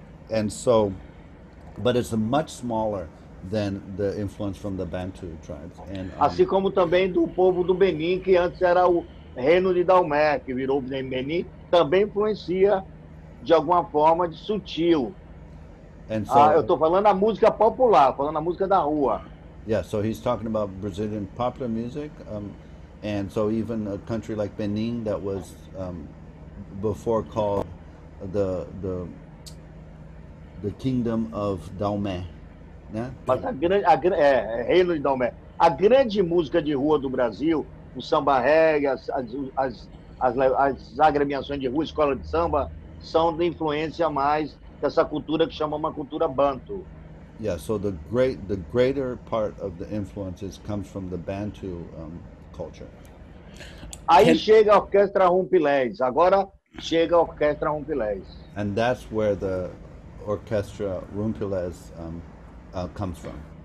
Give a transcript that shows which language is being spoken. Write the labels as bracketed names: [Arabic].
[English] And so, but it's much smaller than the influence from the Bantu tribes. And [Portuguese] assim como também do povo do Benin, que antes era o reino de Dalmé, que virou Benin, também influencia de alguma forma de sutil. [English] And so, [Portuguese] eu estou falando a música popular, falando a música da rua. [English] Yeah, so he's talking about Brazilian popular music, and so even a country like Benin that was before called the kingdom of Dalmé, né? [Portuguese] Mas reino de Dalmé. A grande música de rua do Brasil, o samba reggae, as agremiações de rua, escola de samba, são de influência mais dessa cultura que chama uma cultura Bantu. [English] Yeah, so the greater part of the influences comes from the Bantu culture. [Portuguese] Aí chega a Orquestra Rumpilés. Agora chega a Orquestra Rumpilés. [English] And that's where the Orquestra Rumpilés comes from.